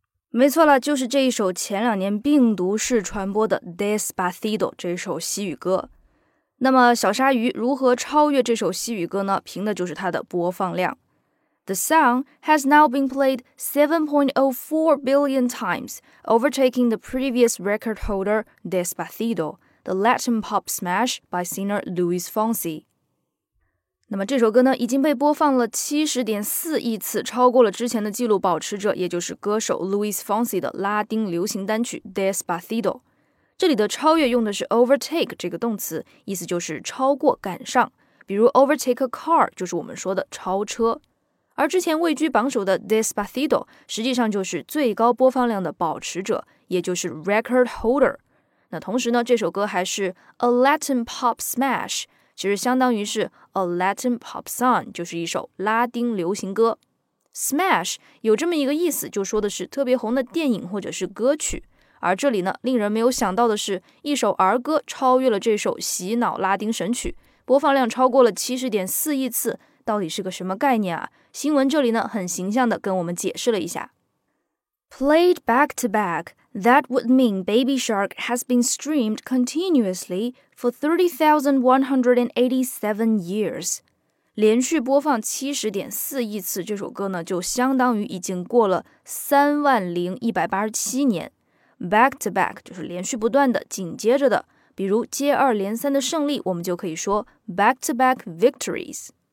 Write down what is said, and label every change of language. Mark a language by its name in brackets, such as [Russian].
[Chinese] 没错了，就是这一首前两年病毒式传播的 Despacito 这首西语歌。那么小鲨鱼如何超越这首西语歌呢？凭的就是它的播放量。 [English] The song has now been played 7.04 billion times, overtaking the previous record holder Despacito, the Latin pop smash by singer Luis Fonsi. [Chinese] 那么这首歌呢已经被播放了 70.4 亿次，超过了之前的记录保持者，也就是歌手 Luis Fonsi 的拉丁流行单曲 Despacito。这里的超越用的是 overtake 这个动词，意思就是超过赶上，比如 [English] overtake a car [Chinese] 就是我们说的超车。而之前位居榜首的 Despacito 实际上就是最高播放量的保持者，也就是 record holder。那同时呢，这首歌还是 [English] a Latin pop smash， [Chinese] 其实相当于是 [English] a Latin pop song， [Chinese] 就是一首拉丁流行歌。 smash 有这么一个意思，就说的是特别红的电影或者是歌曲。而这里呢，令人没有想到的是，一首儿歌超越了这首洗脑拉丁神曲，播放量超过了 70.4 亿次，到底是个什么概念啊？新闻这里呢，很形象地跟我们解释了一下。 [English] Played back to back, that would mean Baby Shark has been streamed continuously for 30,187 years. [Chinese] 连续播放 70.4 亿次这首歌呢，就相当于已经过了30,187 年。 Back to back 就是连续不断的、紧接着的，比如接二连三的胜利，我们就可以说 [English] back to back victories。